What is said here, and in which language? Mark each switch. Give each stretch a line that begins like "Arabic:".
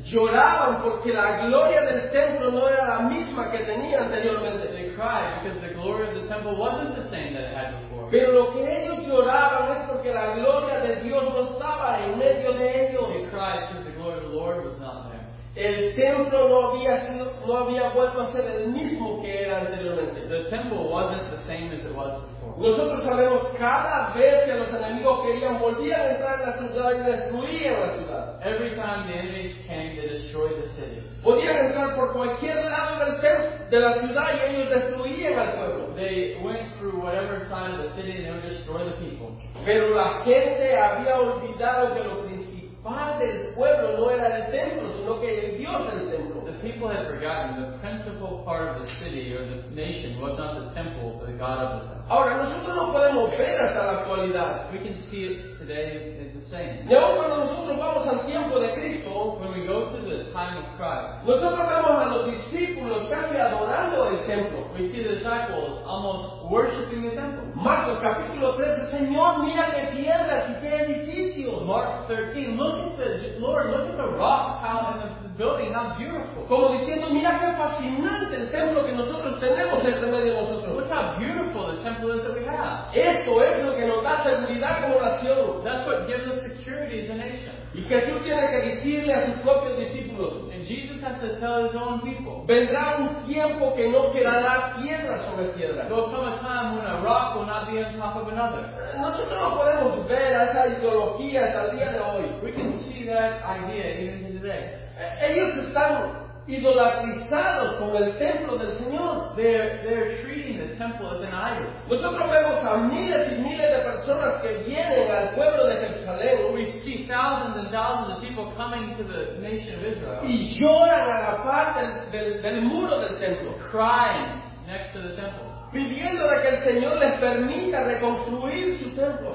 Spanish: lloraban porque la gloria del templo no era la misma que tenía anteriormente.
English: They cried because the glory of the temple wasn't the same that it had before.
Spanish: Pero lo que ellos lloraban es porque la gloria de Dios no estaba en medio de ellos.
English: They cried because the glory of the Lord was not there.
Spanish: El templo no había vuelto a ser el mismo que era anteriormente.
English: The temple wasn't the same as it was before.
Spanish: Nosotros sabemos cada vez que los enemigos querían volver a entrar en la ciudad y destruir la ciudad.
English: Every time the enemies came, they destroyed the city.
Spanish: Podían entrar por cualquier lado del templo de la ciudad y ellos destruían al pueblo.
English: They went through whatever side of the city and they would destroy the people.
Spanish: Pero la gente había olvidado que los del pueblo no era el templo, sino que el Dios del templo.
English: The people had forgotten the principal part of the city or the nation was not the temple, but the God of the temple.
Spanish: Ahora nosotros no podemos ver hasta la actualidad.
English: We can see it today in the same.
Spanish: Y aún cuando nosotros vamos al tiempo de Cristo,
English: when we go to the time of Christ,
Spanish: nosotros vemos a los discípulos casi adorando el templo.
English: We see the disciples almost worshiping the temple.
Spanish: Marcos capítulo 3, Señor, mira qué piedras y qué edificios.
English: Mark 13, look at the rocks, how and the building, how beautiful.
Spanish: Como diciendo, mira qué fascinante el templo que nosotros tenemos entre medio de nosotros.
English: Look how beautiful the temple is that we have.
Spanish: Esto es lo que nos da seguridad como nación.
English: That's what gives us security as a nation.
Spanish: Y Jesús tiene que decirle a sus propios discípulos.
English: And Jesus has to tell his own people.
Spanish: Vendrá un tiempo que no quedará piedra sobre piedra.
English: There will come a time when a rock will not be on top of another.
Spanish: Nosotros no podemos ver esa ideología hasta el día de hoy.
English: We can see that idea even today.
Spanish: Ellos están idolatrizados con el templo del Señor.
English: They're treating the temple as an idol.
Spanish: Nosotros vemos a miles y miles de personas que vienen al pueblo de Jerusalén.
English: We see thousands and thousands of people coming to the nation of Israel.
Spanish: Y lloran a la par del muro del templo.
English: Crying next to the temple.
Spanish: Pidiendo que el Señor les permita reconstruir su templo.